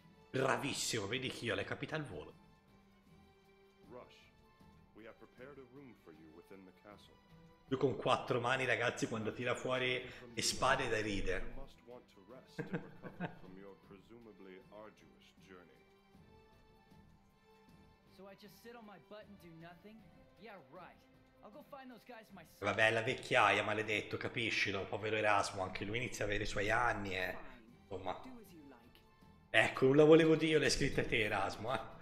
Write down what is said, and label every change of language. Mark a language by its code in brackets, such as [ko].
[it] Bravissimo, vedi che io le capita al volo. [en] Rush, we have prepared a room for you within the castle. [it] Lui con quattro mani, ragazzi, quando tira fuori le spade da ride. [en] You must want to rest to recover from your presumably arduous journey. So I just sit on my butt and do nothing? Yeah, right. I'll go find those guys myself. [it] Vabbè, la vecchiaia, maledetto, capisci, no? Povero Erasmo, anche lui inizia a avere i suoi anni, insomma. Ecco, non la volevo dire, l'hai scritta te, Erasmo, eh?